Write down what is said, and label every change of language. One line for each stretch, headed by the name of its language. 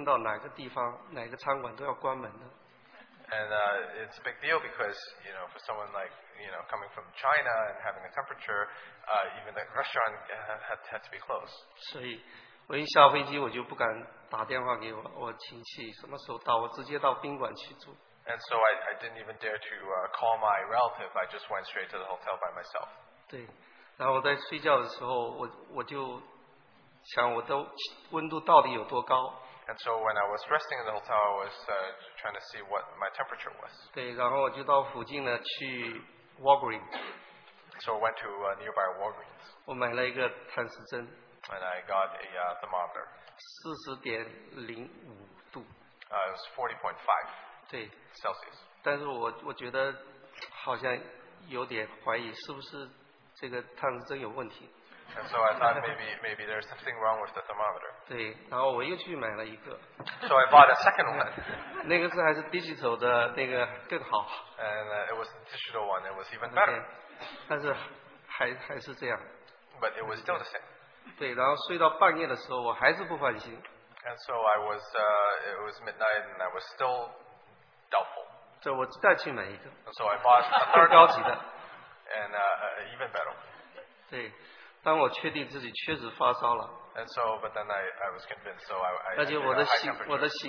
Chinese: 在那个时候，如果有一个人从中国大陆来了，进到哪个地方，哪个餐馆都要关门的。
English: And it's a big deal because, you know, for someone like, you know, coming from China and having a temperature, even the restaurant had to be closed.
Chinese: 所以我一下飞机我就不敢打电话给我亲戚什么时候到，我直接到宾馆去住。
English: And so I didn't even dare to call my relative. I just went straight to the hotel by myself.
Chinese: 对，然后我在睡觉的时候，我就想我的温度到底有多高。
English: And so when I was resting in the hotel, I was trying to see what my temperature was.
Chinese: 对，然后我就到附近呢去 Walgreens.
English: So I went to nearby Walgreens.
Chinese: 我买了一个探视针.
English: And I got a thermometer.
Chinese: 40.05度.
English: It was 40.5.
Chinese: 对
English: Celsius.
Chinese: 但是我觉得好像有点怀疑是不是这个探视针有问题。
English: And so I thought maybe there's something wrong with the thermometer.
Chinese: 对，然后我又去买了一个。
English: So I bought a second one.
Chinese: 那个是还是 digital 的那个更好。
English: And it was the digital one. It was even better.
Chinese: 但是还是这样。
English: But it was still the same.
Chinese: 对，然后睡到半夜的时候，我还是不放心。
English: And so I was it was midnight and I was still doubtful.
Chinese: 对，我再去买一个。
English: So I bought a third one.
Chinese: 高级的。
English: And even better.
Chinese: 对。当我确定自己确实发烧了，and
English: so, but then I was convinced, so I